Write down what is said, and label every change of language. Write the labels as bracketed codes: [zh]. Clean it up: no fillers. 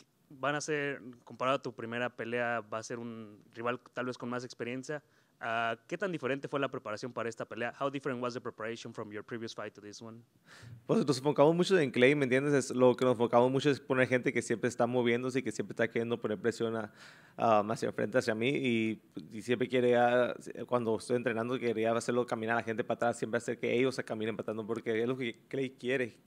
[es] Van a ser, comparado a tu primera pelea, va a ser un rival tal vez con más experiencia. ¿Qué tan diferente fue la preparación para esta pelea? [en] How different was the preparation from your previous fight to this one? [es] Pues nos enfocamos mucho en Clay, ¿me entiendes? Lo que nos enfocamos mucho es poner gente que siempre está moviéndose y que siempre está queriendo poner presión más enfrente hacia mí. Y siempre quería, cuando estoy entrenando, quería hacerlo caminar a la gente para atrás, siempre hacer que ellos se caminen para atrás, porque es lo que Clay quiere.